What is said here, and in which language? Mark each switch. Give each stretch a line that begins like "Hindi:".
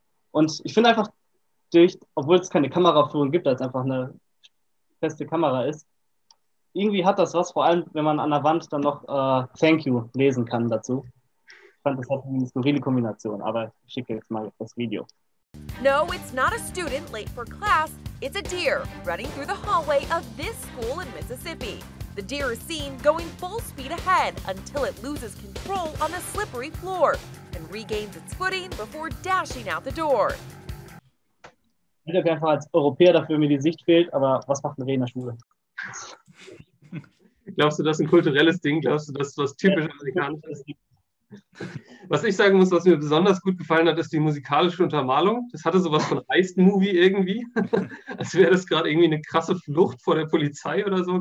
German: Und ich finde einfach, obwohl es keine Kameraführung gibt, als einfach eine feste Kamera ist, irgendwie hat das was, vor allem wenn man an der Wand dann noch
English: Thank you
German: lesen kann dazu. Ich fand, das hat eine skurrile Kombination, aber ich schicke jetzt mal das Video.
English: No, it's not a student late for class. It's a deer running through the hallway of this school in Mississippi. The deer is seen going full speed ahead until it loses control on the slippery floor and regains its footing before dashing out the door.
German: Ich bin einfach als Europäer dafür, mir die Sicht fehlt, aber was macht ein Reh in der Schule? Glaubst du, das ist ein kulturelles Ding? Glaubst du, das ist was typisch Amerikanisches? Was ich sagen muss, was mir besonders gut gefallen hat, ist die musikalische Untermalung. Das hatte sowas von Heist-Movie irgendwie. Als wäre das gerade irgendwie eine krasse Flucht vor der Polizei oder so.